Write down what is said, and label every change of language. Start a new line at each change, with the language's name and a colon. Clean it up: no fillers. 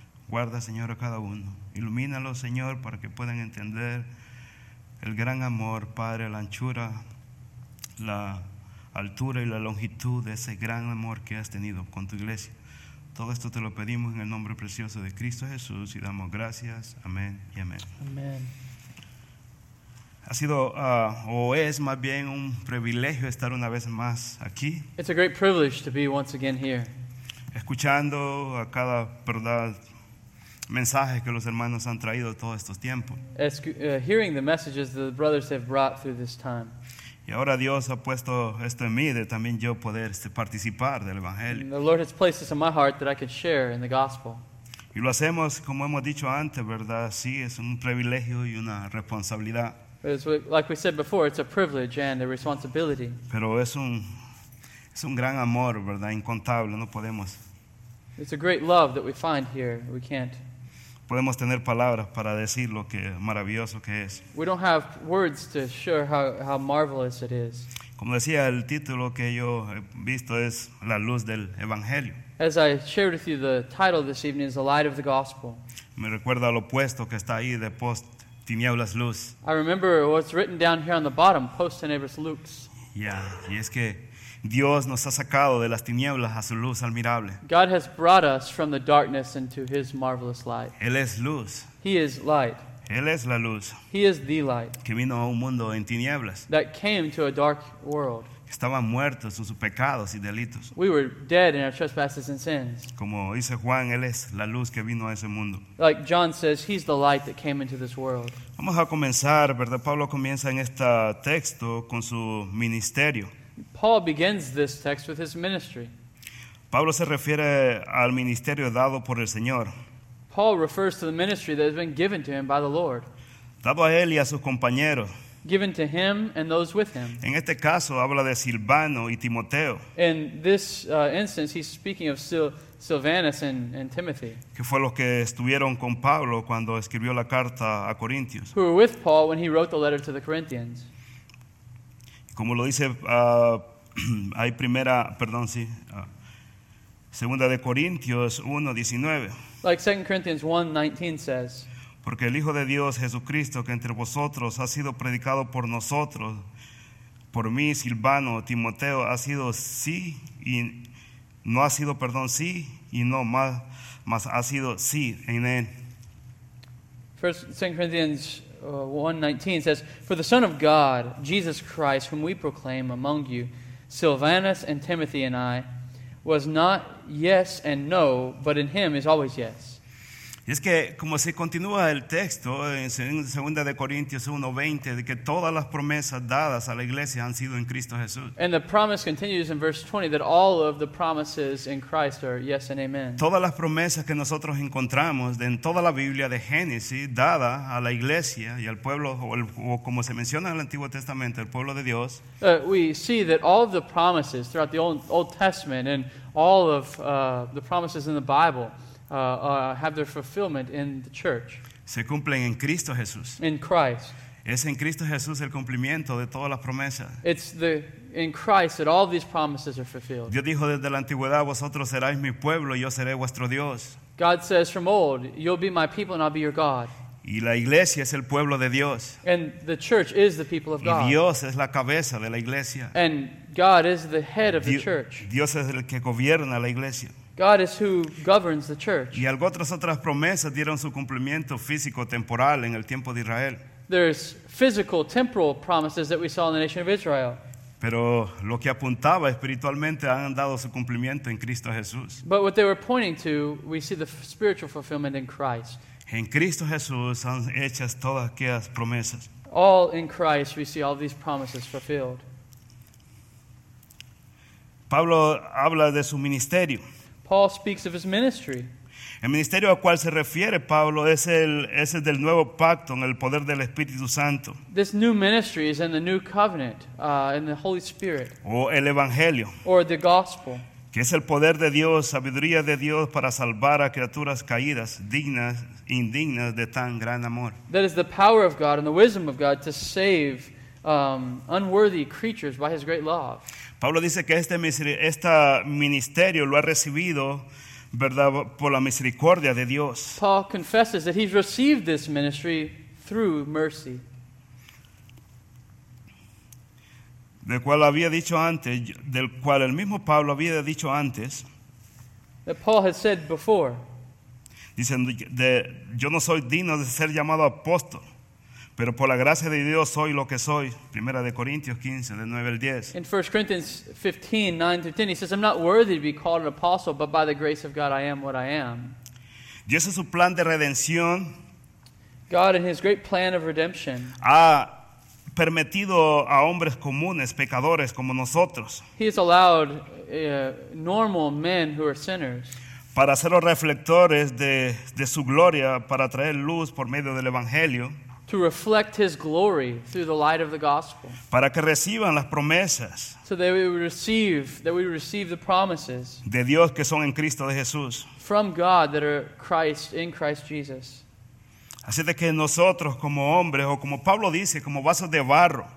Spanish: Guarda, Señor, a cada uno. Ilumínalo, Señor, para que puedan entender el gran amor, Padre, la anchura, la altura y la longitud de ese gran amor que has tenido con tu iglesia. Todo esto te lo pedimos en el nombre precioso de Cristo Jesús y damos gracias. Amén y amén. Amén. Ha sido, o es más bien un privilegio estar una vez más aquí.
English: It's a great privilege to be once again here.
Spanish: Escuchando a cada verdad mensaje que los hermanos han traído todos estos tiempos.
English: Hearing the messages that the brothers have brought through this time.
Spanish: Y ahora Dios ha puesto esto en mí de también yo poder participar del evangelio.
English: And the Lord has placed this in my heart that I can share in the gospel.
Spanish: Y lo hacemos como hemos dicho antes, ¿verdad? Sí, es un privilegio y una responsabilidad.
English: Like we said before, it's a privilege and a responsibility.
Spanish: Pero es un gran amor, ¿verdad? Incontable, no podemos.
English: It's a great love that we find here. We can't.
Spanish: Podemos tener palabras para decir lo que maravilloso que es.
English: We don't have words to show how marvelous it is.
Spanish: Como decía, el título que yo he visto es La Luz del Evangelio.
English: As I shared with you, the title this evening is The Light of the Gospel.
Spanish: Me recuerda lo opuesto que está ahí de post tinieblas luz.
English: I remember what's written down here on the bottom, post tenebras lux.
Spanish: Yeah, y es que Dios nos ha sacado de las tinieblas a su luz admirable.
English: God has brought us from the darkness into his marvelous light.
Spanish: Él es luz.
English: He is light.
Spanish: Él es la luz.
English: He is the light.
Spanish: Que vino a un mundo en tinieblas.
English: That came to a dark world.
Spanish: Estaban muertos en sus pecados y delitos.
English: We were dead in our trespasses and sins.
Spanish: Como dice Juan, Él es la luz que vino a ese mundo.
English: Like John says, He's the light that came into this world.
Spanish: Vamos a comenzar, ¿verdad? Pablo comienza en este texto con su ministerio.
English: Paul begins this text with his ministry.
Spanish: Pablo se refiere al ministerio dado por el Señor.
English: Paul refers to the ministry that has been given to him by the Lord.
Spanish: Dado a él y a sus compañeros.
English: Given to him and those with him.
Spanish: En este caso habla de Silvano y Timoteo.
English: In this instance he's speaking of Silvanus and Timothy.
Spanish: Que fue los que estuvieron con Pablo cuando escribió la carta a Corintios.
English: Who were with Paul when he wrote the letter to the Corinthians.
Spanish: Como lo dice hay primera, perdón, sí. Segunda de Corintios 1:19.
English: Like 2 Corinthians 1:19 says,
Spanish: porque el Hijo de Dios Jesucristo que entre vosotros ha sido predicado por nosotros, por mí Silvano, Timoteo, ha sido sí y no ha sido, perdón, sí y no más, más ha sido sí en él.
English: 2 Corinthians 1:19 says, for the Son of God, Jesus Christ, whom we proclaim among you, Silvanus and Timothy and I, was not yes and no, but in him is always yes.
Spanish: Y es que como se continúa el texto en 2 de Corintios 1:20 de que todas las promesas dadas a la iglesia han sido en Cristo Jesús.
English: And the promise continues in verse 20 that all of the promises in Christ are yes and amen.
Spanish: Todas las promesas que nosotros encontramos en toda la Biblia de Génesis dada a la iglesia y al pueblo o como se menciona en el Antiguo Testamento, el pueblo de Dios.
English: We see that all of the promises throughout the Old Testament and all of the promises in the Bible have their fulfillment in the church.
Spanish: Se cumplen en Cristo Jesús.
English: In Christ.
Spanish: Es en Cristo Jesús el cumplimiento de todas las promesas.
English: It's in Christ that all these promises are fulfilled.
Spanish: Dios dijo desde la antigüedad, vosotros seréis mi pueblo y yo seré vuestro Dios.
English: God says from old, you'll be my people and I'll be your God.
Spanish: Y la iglesia es el pueblo de Dios.
English: And the church is the people of God.
Spanish: Y Dios es la cabeza de la iglesia.
English: And God is the head of the church.
Spanish: Dios es el que gobierna la iglesia.
English: God is who governs the church.
Spanish: Y algunas otras promesas dieron su cumplimiento físico temporal en el tiempo de Israel.
English: There's physical, temporal promises that we saw in the nation of Israel.
Spanish: Pero lo que apuntaba espiritualmente han dado su cumplimiento en Cristo Jesús.
English: But what they were pointing to, we see the spiritual fulfillment in Christ.
Spanish: En Cristo Jesús han hechas todas aquellas promesas.
English: All in Christ we see all these promises fulfilled.
Spanish: Pablo habla de su ministerio.
English: Paul speaks of his ministry.
Spanish: El ministerio al cual se refiere Pablo es el del nuevo pacto en el poder del Espíritu Santo.
English: This new ministry is in the new covenant, in the Holy Spirit.
Spanish: O el evangelio.
English: Or the gospel.
Spanish: Que es el poder de Dios, sabiduría de Dios para salvar a criaturas caídas, dignas, indignas de tan gran amor.
English: That is the power of God and the wisdom of God to save unworthy creatures by his great love.
Spanish: Pablo dice que este ministerio lo ha recibido, ¿verdad?, por la misericordia de Dios.
English: Paul confesses that he's received this ministry through mercy.
Spanish: Del cual el mismo Pablo había dicho antes.
English: That Paul had said before.
Spanish: Dice, yo no soy digno de ser llamado apóstol. Pero por la gracia de Dios soy lo que soy. Primera de Corintios 15, de 9 al 10.
English: In 1 Corinthians 15, 9 through 10, he says, I'm not worthy to be called an apostle, but by the grace of God I am what I am.
Spanish: Dios en su plan de redención.
English: God in his great plan of redemption. Ah,
Spanish: permitido a hombres comunes, pecadores como nosotros.
English: He has allowed normal men who are sinners.
Spanish: Para ser los reflectores de su gloria, para traer luz por medio del evangelio.
English: To reflect his glory through the light of the gospel.
Spanish: Para que reciban las promesas.
English: So that we would receive, the promises.
Spanish: De Dios que son en Cristo de Jesús.
English: From God that are Christ, in Christ Jesus.
Spanish: Así de que nosotros como hombres, o como Pablo dice, como vasos de barro.